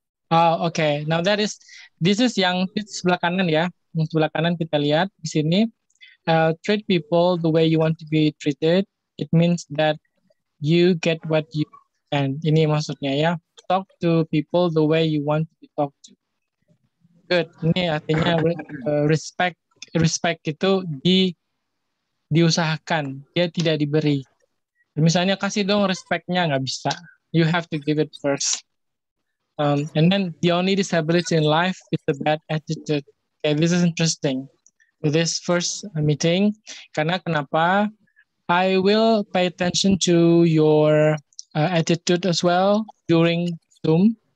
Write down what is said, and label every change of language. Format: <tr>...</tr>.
<en>Oh, okay. Now this is</en> <id>yang di sebelah kanan ya. Yang sebelah kanan kita lihat di sini.</id> <en>Treat people the way you want to be treated. It means that you get what you and</en> <id>ini maksudnya ya.</id> <en>Talk to people the way you want to be talked to. Good.</en> <id>Ini artinya respect itu diusahakan, dia tidak diberi. Misalnya kasih dong respectnya, nggak bisa.</id> <en>You have to give it first. And then the only disability in life is a bad attitude. Okay, this is interesting. This first meeting,</en> <id>karena kenapa?</id> <en>I will pay attention to your attitude as well during Zoom.</en>